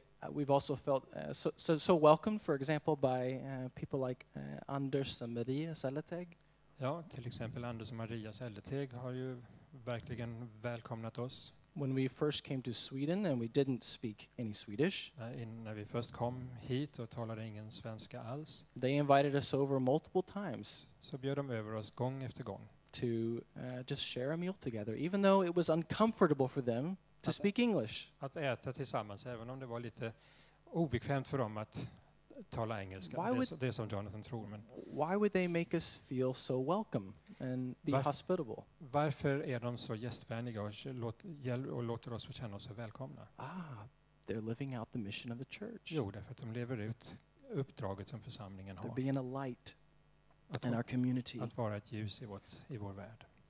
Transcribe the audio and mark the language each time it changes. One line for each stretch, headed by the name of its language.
English: We've also felt so welcomed, for example, by people like Anders and Maria Selleteg.
Swedish: Ja, till exempel Anders och Maria Selleteg har ju verkligen välkomnat oss.
English: When we first came to Sweden and we didn't speak any Swedish.
Swedish: När vi först kom hit och talade ingen svenska alls.
English: They invited us over multiple times.
Swedish: Så bjöd de över oss gång efter gång.
English: To just share a meal together, even though it was uncomfortable for them to speak English.
Swedish: Att äta tillsammans, även om det var lite obekvämt för dem att tala engelska. Det är som Jonathan tror. Men
English: why would they make us feel so welcome and be hospitable?
Swedish: Varför är de så gästvänliga och låter oss känna oss så välkomna?
English: Ah, they're living out the mission of the church.
Swedish: Jo, därför att de lever ut uppdraget som församlingen har.
English: They're being a light in our community.
Swedish: Att vara ett ljus i vår värld.